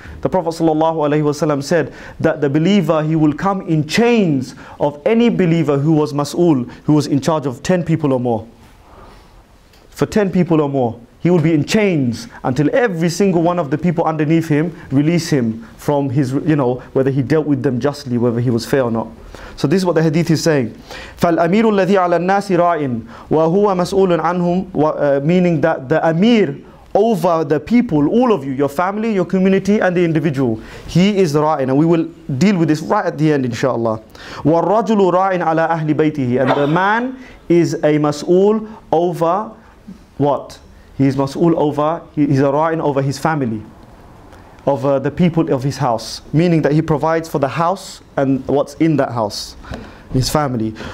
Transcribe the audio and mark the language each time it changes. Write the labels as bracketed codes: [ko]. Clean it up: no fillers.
[en] The Prophet sallallahu alaihi wasallam said that the believer, he will come in chains of any believer who was mas'ul, who was in charge of 10 people or more. For 10 people or more, he will be in chains until every single one of the people underneath him release him from his, you know, whether he dealt with them justly, whether he was fair or not. So this is what the hadith is saying. [ar] فَالْأَمِيرُ الَّذِي عَلَى النَّاسِ رَاعٍ وَهُوَ مَسْؤُولٌ عَنْهُمْ, [en] meaning that the Amir over the people, all of you, your family, your community, and the individual. He is ra'in, and we will deal with this right at the end, inshallah. [ar] وَالرَّجُلُ ra'in ala ahli baytihi, [en] and the man is a mas'ul over what? He is mas'ul over, he's a ra'in over his family, over the people of his house, meaning that he provides for the house and what's in that house, his family.